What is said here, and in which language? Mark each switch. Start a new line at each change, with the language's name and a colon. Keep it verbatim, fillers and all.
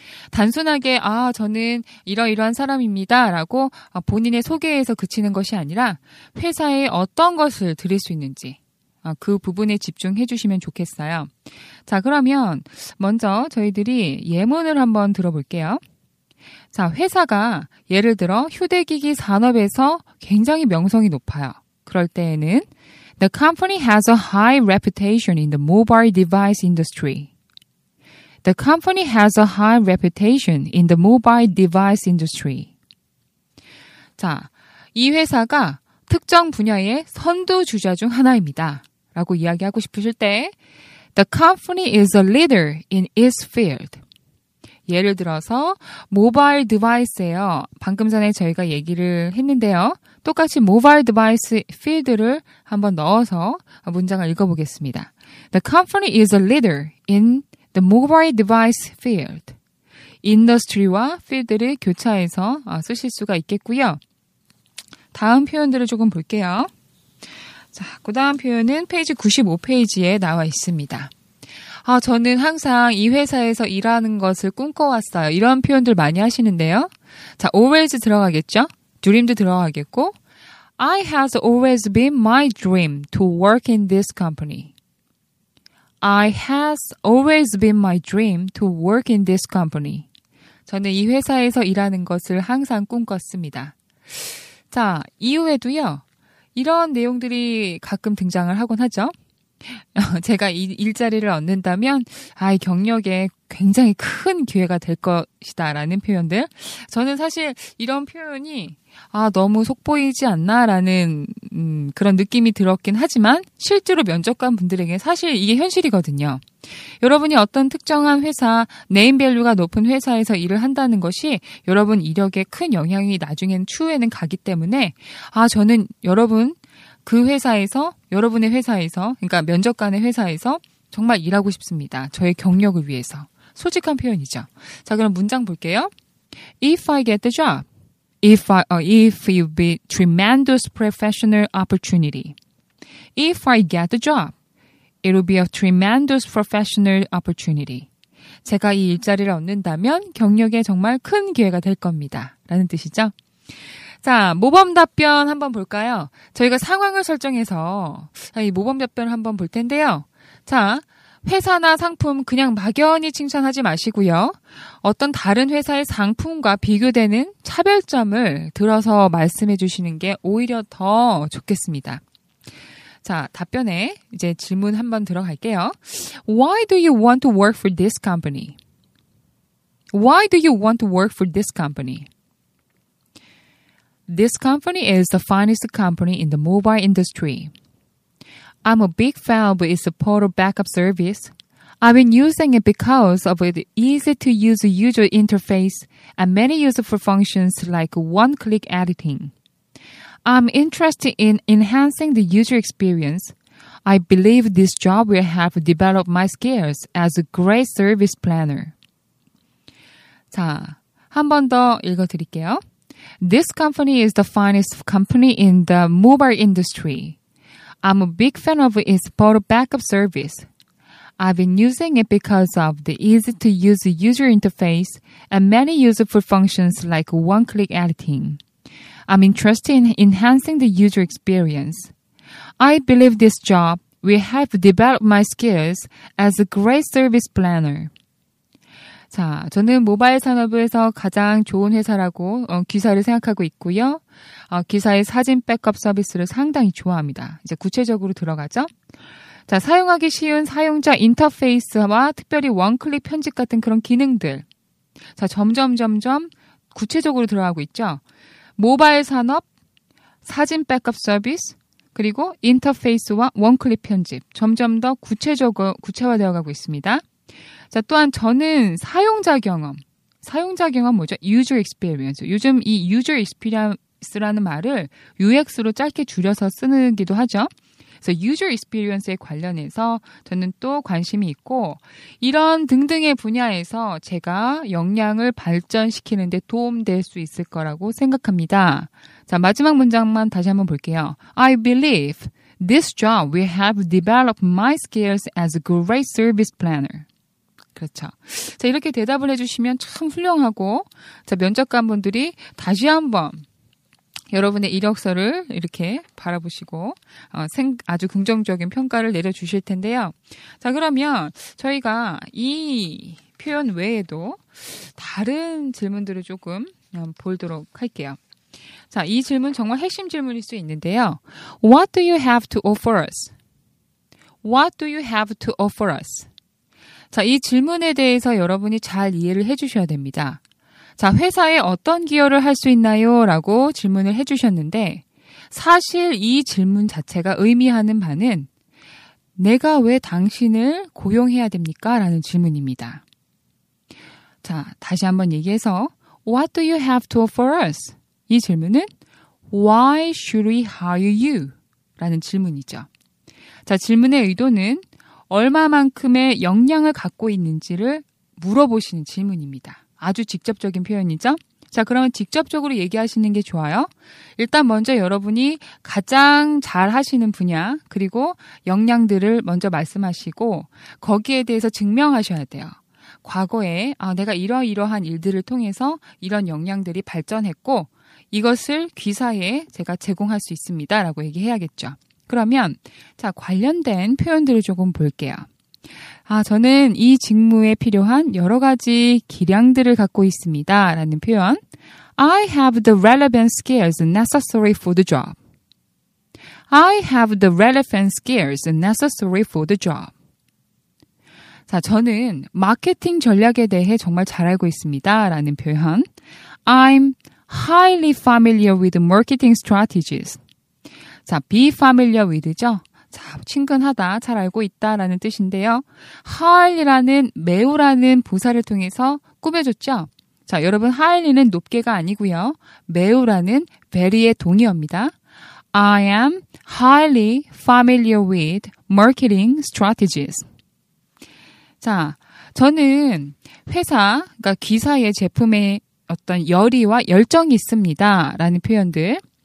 Korean: 단순하게 아 저는 이러이러한 사람입니다 라고 본인의 소개에서 그치는 것이 아니라 회사에 어떤 것을 드릴 수 있는지 그 부분에 집중해 주시면 좋겠어요. 자, 그러면 먼저 저희들이 예문을 한번 들어볼게요. 자, 회사가 예를 들어 휴대기기 산업에서 굉장히 명성이 높아요. 그럴 때에는
English: The company has a high reputation in the mobile device industry. The company has a high reputation in the mobile device industry.
Korean: 자, 이 회사가 특정 분야의 선두주자 중 하나입니다. 라고 이야기하고 싶으실 때
English: The company is a leader in its field.
Korean: 예를 들어서 모바일 디바이스예요. 방금 전에 저희가 얘기를 했는데요. 똑같이 모바일 디바이스 필드를 한번 넣어서 문장을 읽어보겠습니다.
English: The company is a leader in the mobile device field.
Korean: 인더스트리와 필드를 교차해서 쓰실 수가 있겠고요. 다음 표현들을 조금 볼게요. 자, 그 다음 표현은 페이지 구십오 페이지에 나와 있습니다. 아, 저는 항상 이 회사에서 일하는 것을 꿈꿔왔어요. 이런 표현들 많이 하시는데요. 자, always 들어가겠죠?
English: dream도
Korean: 들어가겠고
English: I has always been my dream to work in this company. I has always been my dream to work in this company.
Korean: 저는 이 회사에서 일하는 것을 항상 꿈꿨습니다. 자, 이후에도요. 이런 내용들이 가끔 등장을 하곤 하죠. 제가 이 일자리를 얻는다면 아이 경력에 굉장히 큰 기회가 될 것이다 라는 표현들 저는 사실 이런 표현이 아 너무 속보이지 않나 라는 음, 그런 느낌이 들었긴 하지만 실제로 면접관 분들에게 사실 이게 현실이거든요. 여러분이 어떤 특정한 회사 네임밸류가 높은 회사에서 일을 한다는 것이 여러분 이력에 큰 영향이 나중엔 추후에는 가기 때문에 아 저는 여러분 그 회사에서 여러분의 회사에서 그러니까 면접관의 회사에서 정말 일하고 싶습니다. 저의 경력을 위해서. 솔직한 표현이죠. 자, 그럼 문장 볼게요.
English: If I get the job. If I uh, if you be tremendous professional opportunity. If I get the job. It will be a tremendous professional opportunity.
Korean: 제가 이 일자리를 얻는다면 경력에 정말 큰 기회가 될 겁니다. 라는 뜻이죠. 자, 모범 답변 한번 볼까요? 저희가 상황을 설정해서 이 모범 답변을 한번 볼 텐데요. 자, 회사나 상품 그냥 막연히 칭찬하지 마시고요. 어떤 다른 회사의 상품과 비교되는 차별점을 들어서 말씀해 주시는 게 오히려 더 좋겠습니다. 자, 답변에 이제 질문 한번 들어갈게요.
English: Why do you want to work for this company? Why do you want to work for this company? This company is the finest company in the mobile industry. I'm a big fan of its portal backup service. I've been using it because of its easy-to-use user interface and many useful functions like one-click editing. I'm interested in enhancing the user experience. I believe this job will help develop my skills as a great service planner.
Korean: 자, 한 번 더 읽어드릴게요.
English: This company is the finest company in the mobile industry. I'm a big fan of its portal backup service. I've been using it because of the easy-to-use user interface and many useful functions like one-click editing. I'm interested in enhancing the user experience. I believe this job will help develop my skills as a great service planner.
Korean: 자, 저는 모바일 산업에서 가장 좋은 회사라고 어, 기사를 생각하고 있고요. 어, 기사의 사진 백업 서비스를 상당히 좋아합니다. 이제 구체적으로 들어가죠. 자, 사용하기 쉬운 사용자 인터페이스와 특별히 원클릭 편집 같은 그런 기능들. 자, 점점 점점 구체적으로 들어가고 있죠. 모바일 산업, 사진 백업 서비스, 그리고 인터페이스와 원클릭 편집. 점점 더 구체적으로 구체화되어 가고 있습니다. 자, 또한 저는 사용자 경험. 사용자 경험 뭐죠? User experience. 요즘 이 user experience라는 말을 유엑스로 짧게 줄여서 쓰기도 하죠. 그래서 user experience에 관련해서 저는 또 관심이 있고, 이런 등등의 분야에서 제가 역량을 발전시키는 데 도움될 수 있을 거라고 생각합니다. 자, 마지막 문장만 다시 한번 볼게요.
English: I believe this job will help develop my skills as a great service planner.
Korean: 그렇죠. 자, 이렇게 대답을 해주시면 참 훌륭하고, 자, 면접관분들이 다시 한번 여러분의 이력서를 이렇게 바라보시고, 어, 생, 아주 긍정적인 평가를 내려주실 텐데요. 자, 그러면 저희가 이 표현 외에도 다른 질문들을 조금 보도록 할게요. 자, 이 질문 정말 핵심 질문일 수 있는데요.
English: What do you have to offer us? What do you have to offer us?
Korean: 자, 이 질문에 대해서 여러분이 잘 이해를 해주셔야 됩니다. 자, 회사에 어떤 기여를 할 수 있나요? 라고 질문을 해주셨는데, 사실 이 질문 자체가 의미하는 바는 내가 왜 당신을 고용해야 됩니까? 라는 질문입니다. 자, 다시 한번 얘기해서
English: What do you have to offer us?
Korean: 이 질문은
English: Why should we hire you?
Korean: 라는 질문이죠. 자, 질문의 의도는 얼마만큼의 역량을 갖고 있는지를 물어보시는 질문입니다. 아주 직접적인 표현이죠. 자, 그러면 직접적으로 얘기하시는 게 좋아요. 일단 먼저 여러분이 가장 잘 하시는 분야, 그리고 역량들을 먼저 말씀하시고 거기에 대해서 증명하셔야 돼요. 과거에 아, 내가 이러이러한 일들을 통해서 이런 역량들이 발전했고 이것을 기사에 제가 제공할 수 있습니다. 라고 얘기해야겠죠. 그러면 자, 관련된 표현들을 조금 볼게요. 아, 저는 이 직무에 필요한 여러 가지 기량들을 갖고 있습니다. 라는 표현.
English: I have the relevant skills necessary for the job. I have the relevant skills necessary for the job.
Korean: 자, 저는 마케팅 전략에 대해 정말 잘 알고 있습니다. 라는 표현.
English: I'm highly familiar with marketing strategies. 자, be familiar with죠.
Korean: 자, 친근하다, 잘 알고 있다라는 뜻인데요. highly라는 매우라는 부사를 통해서 꾸며줬죠. 자, 여러분 highly는 높게가 아니고요. 매우라는 very의 동의어입니다.
English: I am highly familiar with marketing strategies.
Korean: 자, 저는 회사, 그러니까 기사의 제품에 어떤 열의와 열정이 있습니다라는 표현들.